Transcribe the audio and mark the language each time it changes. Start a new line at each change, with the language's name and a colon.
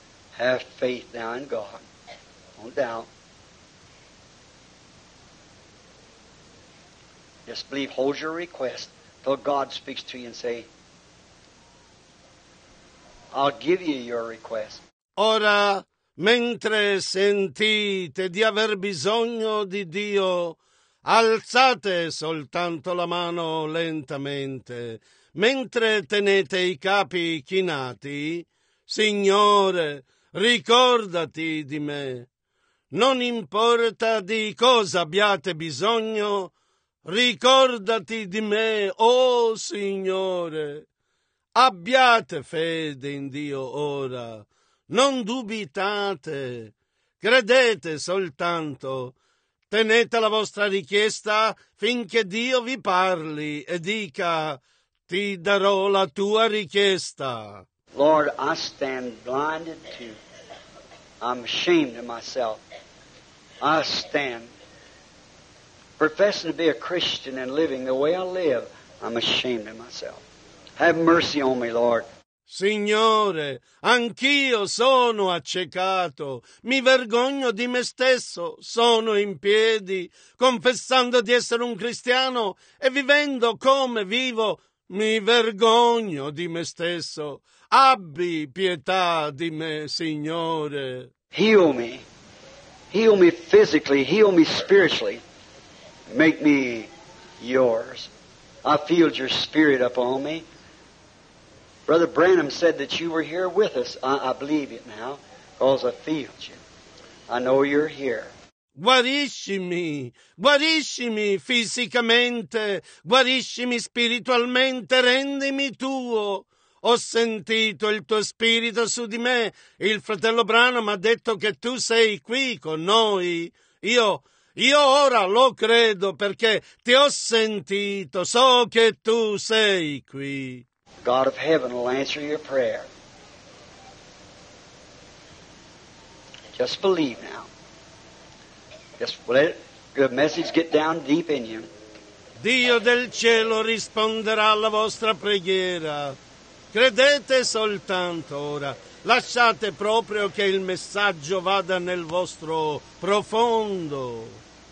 English: Have faith now in God. Don't doubt. Just believe. Hold your request till God speaks to you and say, I'll give you your request.
Italian: Ora, mentre sentite di aver bisogno di Dio, alzate soltanto la mano lentamente. Mentre tenete i capi chinati, Signore, ricordati di me. Non importa di cosa abbiate bisogno, ricordati di me, oh Signore. Abbiate fede in Dio ora, non dubitate, Credete soltanto. Tenete la vostra richiesta finché Dio vi parli e dica: ti darò la tua richiesta.
English: Lord, I stand blinded to you. I'm ashamed of myself. I stand professing to be a Christian and living the way I live. I'm ashamed of myself. Have mercy on me, Lord.
Italian: Signore, anch'io sono accecato, mi vergogno di me stesso, sono in piedi, confessando di essere un cristiano e vivendo come vivo, mi vergogno di me stesso. Abbi pietà di me, Signore.
English: Heal me physically, heal me spiritually, make me yours. I feel your spirit upon me. Brother Branham said that you were here with us. I believe it now, because I feel you. I know you're here.
Italian: Guariscimi fisicamente, guariscimi spiritualmente, rendimi tuo. Ho sentito il tuo spirito su di me. Il fratello Branham ha detto che tu sei qui con noi. Io ora lo credo perché ti ho sentito, so che tu sei qui.
English: God of heaven will answer your prayer. Just believe now. Just let the message get down deep in you.
Italian: Dio del cielo risponderà alla vostra preghiera. Credete soltanto ora. Lasciate proprio che il messaggio vada nel vostro profondo.